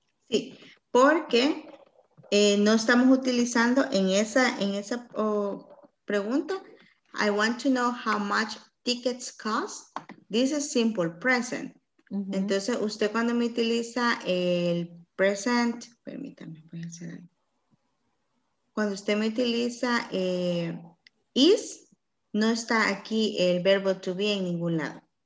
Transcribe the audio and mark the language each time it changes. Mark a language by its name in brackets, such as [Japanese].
[Spanish] Sí, porque no estamos utilizando en esa pregunta. [English] I want to know how much tickets cost. This is simple present. [Spanish] Entonces, usted cuando me utiliza el [English] present, [Spanish] permítame, voy a hacer ahí. Cuando usted me utiliza is, no está aquí el [English] verbo to be [Spanish] en ningún lado.